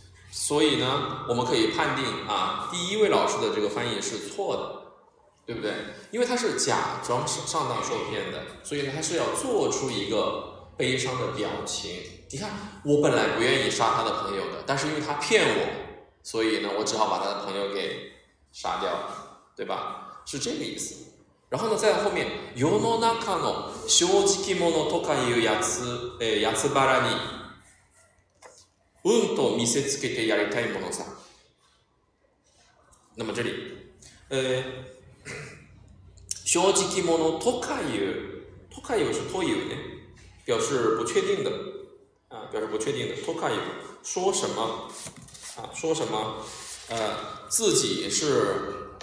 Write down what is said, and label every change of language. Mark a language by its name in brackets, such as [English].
[Chinese] 所以呢，我们可以判定啊，第一位老师的这个翻译是错的，对不对？因为他是假装上当受骗的，所以他是要做出一个悲伤的表情。你看，我本来不愿意杀他的朋友的，但是因为他骗我，所以呢，我只好把他的朋友给杀掉，对吧？是这个意思。然后呢，在后面， [Japanese] 世の中の正直者とかいうやつ、やつばらに運と見せつけてやりたいものさ。 [Chinese] 那么这里， [Japanese] 正直者とかいう、とかいう [Chinese] 是 [Japanese] という [Chinese] 呢，表示不确定的，啊，表示不确定的。 [Japanese] とかいう [Chinese] 说什么，啊，说什么，自己是。